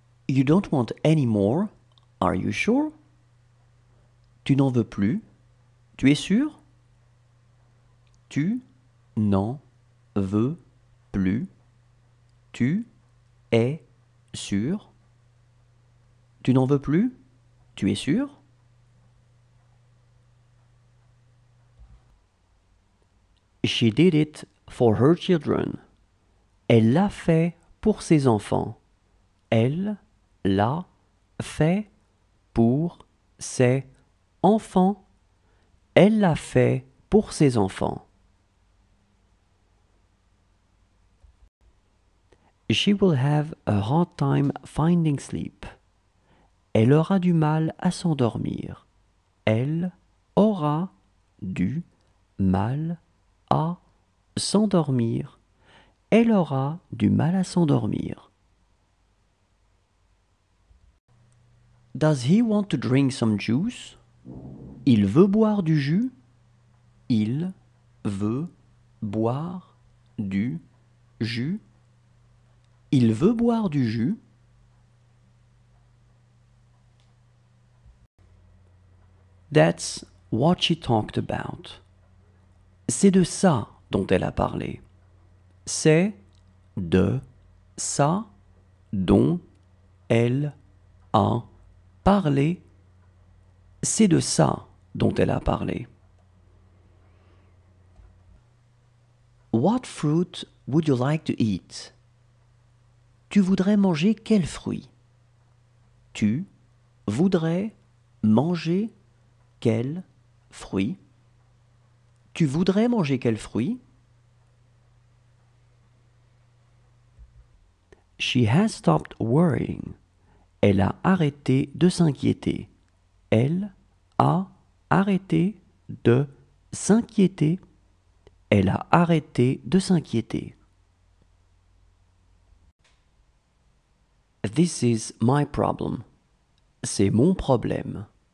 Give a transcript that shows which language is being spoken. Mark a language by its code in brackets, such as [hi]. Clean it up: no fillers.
[en] You don't want any more, are you sure? [fr] Tu n'en veux plus, tu es sûr? Tu n'en veux plus, tu es sûr? Tu n'en veux plus, tu es sûr? [en] She did it for her children. [fr] Elle l'a fait pour ses enfants. Elle l'a fait pour ses enfants. Elle l'a fait pour ses enfants. [en] She will have a hard time finding sleep. [fr] Elle aura du mal à s'endormir. Elle aura du mal à s'endormir. Elle aura du mal à s'endormir. [en] Does he want to drink some juice? [fr] Il veut boire du jus. Il veut boire du jus. Il veut boire du jus. [en] That's what she talked about. [fr] C'est de ça dont elle a parlé. C'est de ça dont elle a parlé. C'est de ça dont elle a parlé. [en] What fruit would you like to eat? [fr] Tu voudrais manger quel fruit? Tu voudrais manger quel fruit? Tu voudrais manger quel fruit? [en] She has stopped worrying. [fr] Elle a arrêté de s'inquiéter. Elle a arrêté de s'inquiéter. Elle a arrêté de s'inquiéter. [en] This is my problem. [fr] C'est mon problème.